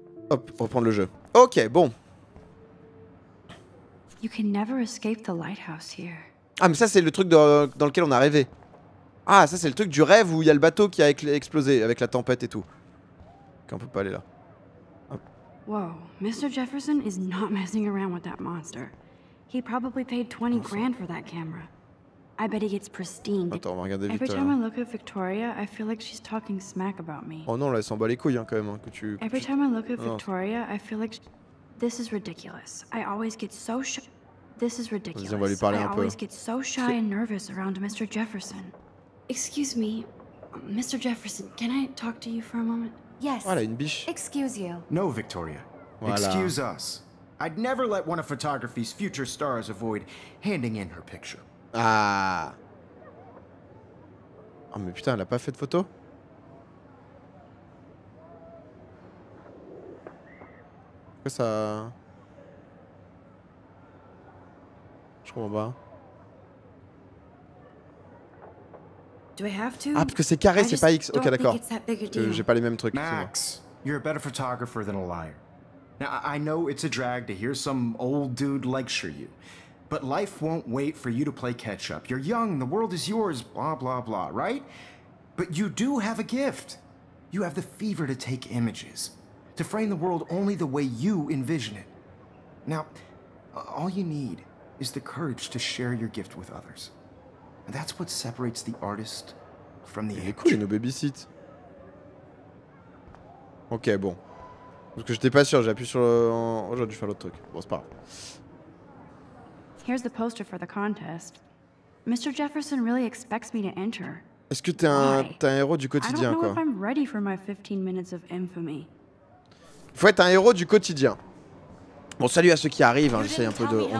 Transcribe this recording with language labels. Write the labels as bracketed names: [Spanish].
[French] Hop, reprendre le jeu. Ok, bon. [English] You can never escape the lighthouse here. [French] Ah mais ça c'est le truc dans lequel on a rêvé. Ah ça c'est le truc du rêve où il y a le bateau qui a explosé avec la tempête et tout. Qu'on peut pas aller là. [English] Hop. Whoa, Mr. Jefferson is not messing around with that monster. He probably paid 20 grand for that camera. I bet he gets pristine. [French] Attends, on va regarder Victoria. [English] Every time I look at Victoria, I feel like she's talking smack about me. [French] Oh non, là, elle s'en bat les couilles hein, quand même hein, que tu. [English] Every time I look at Victoria, I feel like. This is ridiculous. I always get so shy. This is ridiculous. [French] On va lui parler un peu. [English] I always get so shy and nervous around Mr. Jefferson. Excuse me, Mr. Jefferson, can I talk to you for a moment? Yes. [French] Voilà, une biche. [English] Excuse you. No, Victoria. [French] Voilà. [English] Excuse us. I'd never let one of photography's future stars avoid handing in her picture. Ah. [French] Oh, mais putain, elle a pas fait de photo? Ça. Je comprends pas. [English] Do I have to? [French] Ah, parce que c'est carré, c'est pas X. Ok, d'accord. J'ai pas les mêmes trucs. [English] Max, you're a better photographer than a liar. Now, I know it's a drag to hear some old dude lecture you. But life won't wait for you to play catch up. You're young, the world is yours, blah, blah, blah, right? But you do have a gift. You have the fever to take images. To frame the world only the way you envision it. Now, all you need is the courage to share your gift with others. And that's what separates the artist from the [French] age. Cool, il nous babysit. Ok, bon. Parce que j'étais pas sûr, j'ai appuyé sur le... Oh, j'aurais dû faire l'autre truc. Bon, c'est pas grave. [English] Here's the poster for the contest. Mr. Jefferson really expects me to enter. [French] Est-ce que t'es un héros du quotidien, quoi? [English] I don't know if I'm ready for my 15 minutes of infamy. [French] Faut être un héros du quotidien. Bon, salut à ceux qui arrivent, hein, j'essaie un peu de...